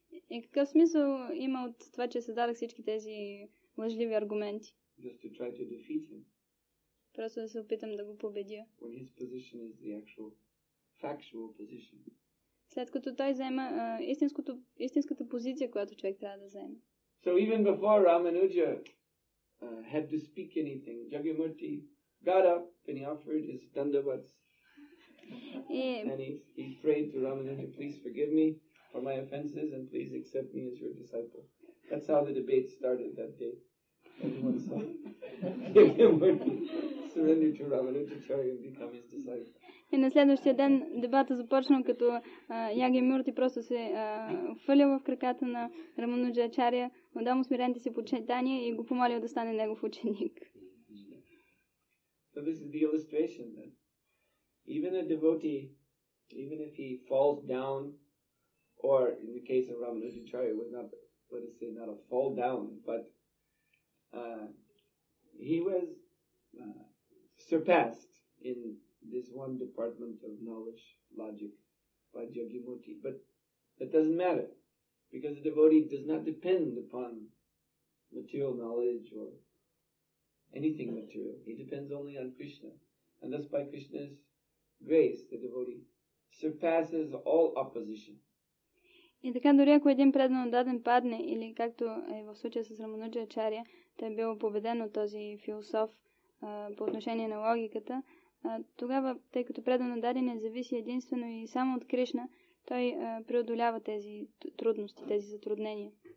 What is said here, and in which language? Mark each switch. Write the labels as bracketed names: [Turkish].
[Bulgarian] И какъв смисъл има от това, че създадах всички тези лъжливи аргументи? [English] Just to try to defeat him. [Bulgarian] Просто да се опитам да го победя. [English] When his position is the actual factual position. [Bulgarian] След като той взема истинската позиция, която човек трябва да вземе. [English] So even before Ramanuja had to speak anything, Jagimurti got up and he offered his dandavats. And he prayed to Ramanuja, please forgive me for my offenses and please accept me as your disciple. That's how the debate started that day. Everyone saw Jagimurti surrender to Ramanujacharya and become his disciple. [Bulgarian] И на следващия ден дебата започна, като Ягимурти просто се фалил в краката на Рамануджачария, отдал му смирените си почитания и го помолил да стане негов ученик. [English] So this is the illustration that even a devotee, even if he falls down, or in the case of Рамануджачария, was not, let us say, not a fall down, but he was surpassed in this one department of knowledge, logic, by Jagimurti. But that doesn't matter, because the devotee does not depend upon material knowledge or anything material. He depends only on Krishna. And thus by Krishna's grace, the devotee surpasses all opposition. [Bulgarian] И така, дори ако един предан отдаден падне, или както е в случая с Рамануджачария, той е бил победен от този философ по отношение на логиката, тогава, тъй като предано дадене зависи единствено и само от Кришна, той преодолява тези трудности, тези затруднения.